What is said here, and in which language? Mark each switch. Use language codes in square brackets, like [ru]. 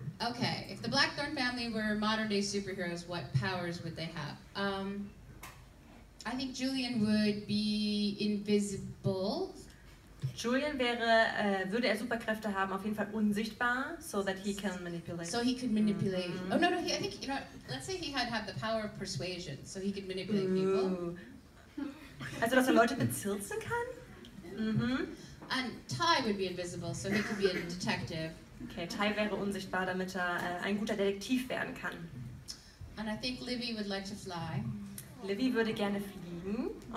[en] Okay, if the Blackthorne family were modern-day superheroes, what powers would they have? I think Julian would be invisible. [de] Julian wäre, würde er Superkräfte haben, auf jeden Fall unsichtbar, [en] so that he can manipulate. So he could manipulate. Mm-hmm. Oh, no, I think, you know, let's say he had the power of persuasion, so he could manipulate people. [de] Also, dass er Leute bezirzen kann? Mhm. [en] And Ty would be invisible, so he could be a detective. [de] Okay, Ty wäre unsichtbar, damit er ein guter Detektiv werden kann. [en] And I think Livy would like to fly. [de] Livy würde gerne fliegen.